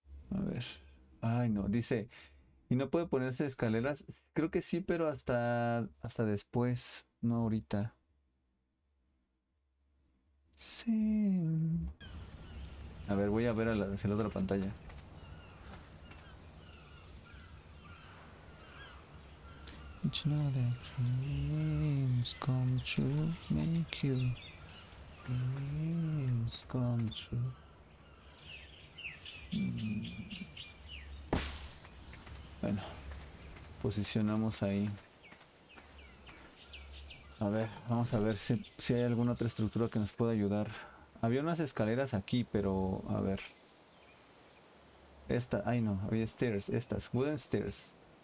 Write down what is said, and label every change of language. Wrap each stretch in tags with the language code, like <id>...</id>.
<es>A ver. Ay, no. Dice. ¿Y no puede ponerse escaleras? Creo que sí, pero hasta después. No ahorita. Sí. A ver, voy a ver hacia la otra pantalla.</es> <en>Did you know that dreams come true? Make you dreams come true.</en> <es>Bueno, posicionamos ahí. A ver, vamos a ver si hay alguna otra estructura que nos pueda ayudar. Había unas escaleras aquí, pero a ver. Esta, ay no, había stairs, estas,</es> <en>wooden stairs.</en>